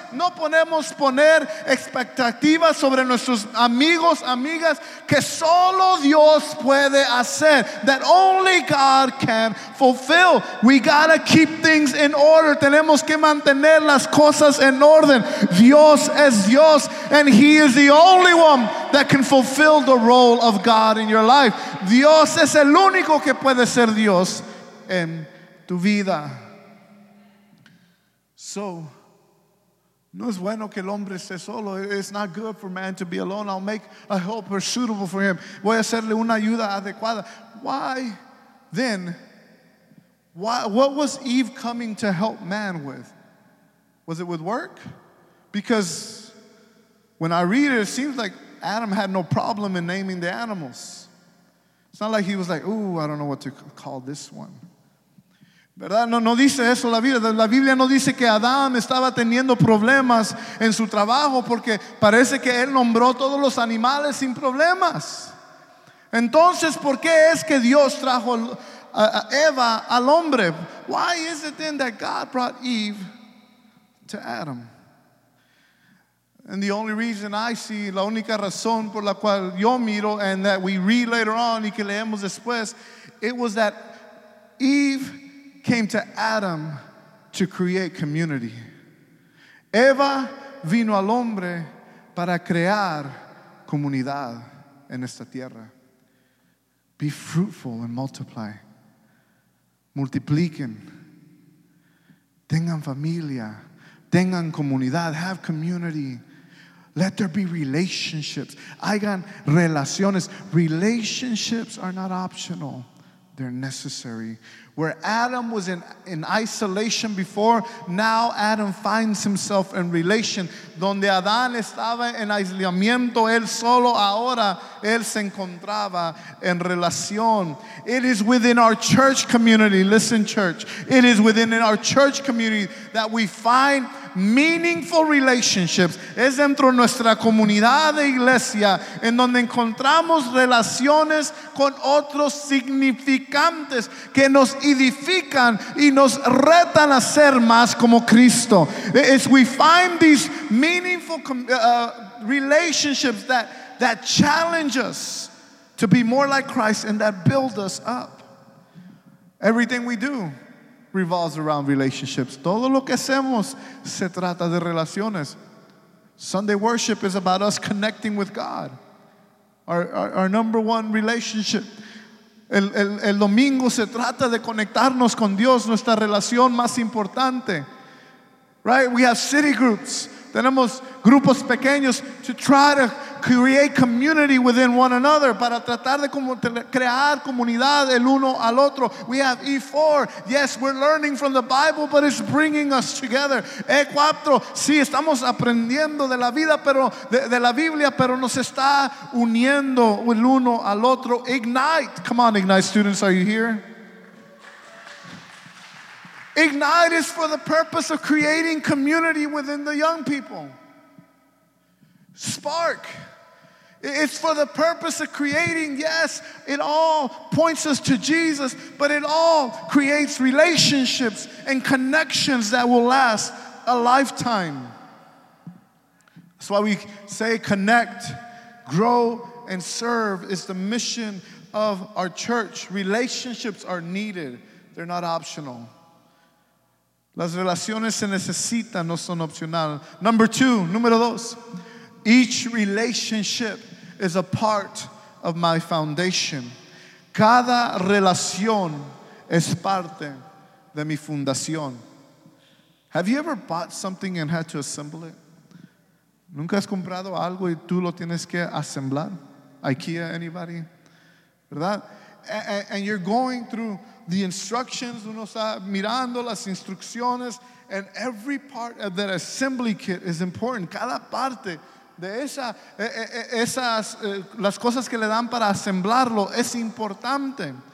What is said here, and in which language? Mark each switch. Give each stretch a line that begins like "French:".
Spanish: No podemos poner expectativas sobre nuestros amigos, amigas, que solo Dios puede hacer,
English: that only God can fulfill. We gotta keep things in order.
Spanish: Tenemos que mantener las cosas en orden. Dios es Dios,
English: and He is the only one that can fulfill the role of God in your life.
Spanish: Dios es el único que puede ser Dios en tu vida. So, no es bueno que el hombre esté solo.
English: It's not good for man to be alone. I'll make a helper suitable for him.
Spanish: Voy a hacerle una ayuda adecuada.
English: Why then? Why, what was Eve coming to help man with? Was it with work? Because when I read it, it seems like Adam had no problem in naming the animals. It's not like he was like, ooh, I don't know what to call this one.
Spanish: ¿Verdad? No dice eso la Biblia. La Biblia no dice que Adán estaba teniendo problemas en su trabajo porque parece que él nombró todos los animales sin problemas. Entonces, ¿por qué es que Dios trajo a Eva al hombre?
English: Why is it then that God brought Eve to Adam? And the only reason I see,
Spanish: la única razón por la cual yo miro,
English: and that we read later on
Spanish: y que leemos después,
English: it was that Eve came to Adam to create community.
Spanish: Eva vino al hombre para crear comunidad en esta tierra.
English: Be fruitful and multiply.
Spanish: Multipliquen. Tengan familia. Tengan comunidad.
English: Have community. Let there be relationships.
Spanish: Hagan relaciones.
English: Relationships are not optional. They're necessary. Where Adam was in isolation before, now Adam finds himself in relation.
Spanish: Donde Adán estaba en aislamiento, él solo, ahora él se encontraba en relación.
English: It is within our church community, listen church, it is within our church community that we find meaningful relationships.
Spanish: Es dentro de nuestra comunidad de iglesia en donde encontramos relaciones con otros significantes que nos edifican y nos retan a ser más como Cristo.
English: As we find these meaningful relationships that challenge us to be more like Christ and that build us up. Everything we do revolves around relationships.
Spanish: Todo lo que hacemos se trata de relaciones.
English: Sunday worship is about us connecting with God. Our number one relationship.
Spanish: El domingo se trata de conectarnos con Dios, nuestra relación más importante.
English: Right? We have city groups.
Spanish: Tenemos grupos pequeños
English: to try to create community within one another,
Spanish: para tratar de crear comunidad el uno al otro.
English: We have E4. Yes, we're learning from the Bible, but it's bringing us together.
Spanish: E4, sí, estamos aprendiendo de la vida, pero de la Biblia, pero nos está uniendo el uno al otro.
English: Ignite. Come on, Ignite students, are you here? Ignite is for the purpose of creating community within the young people. Spark. It's for the purpose of creating, yes, it all points us to Jesus, but it all creates relationships and connections that will last a lifetime. That's why we say connect, grow, and serve is the mission of our church. Relationships are needed. They're not optional.
Spanish: Las relaciones se necesitan, no son opcional.
English: Number two,
Spanish: número dos.
English: Each relationship is a part of my foundation.
Spanish: Cada relación es parte de mi fundación.
English: Have you ever bought something and had to assemble it?
Spanish: ¿Nunca has comprado algo y tú lo tienes que asemblar?
English: IKEA, anybody?
Spanish: ¿Verdad?
English: And you're going through the instructions,
Spanish: uno está mirando las instrucciones,
English: and every part of that assembly kit is important.
Spanish: Cada parte de esas las cosas que le dan para asemblarlo es importante.